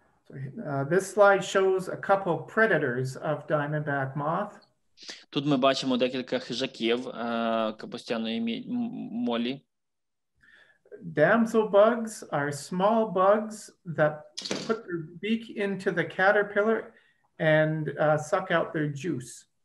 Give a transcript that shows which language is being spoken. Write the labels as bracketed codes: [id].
[en] So, this slide shows a couple of predators of diamondback moth. [uk] Тут ми бачимо декілька хижаків капустяної молі. [en] Damsel bugs are small bugs that put their beak into the caterpillar and suck out their juice.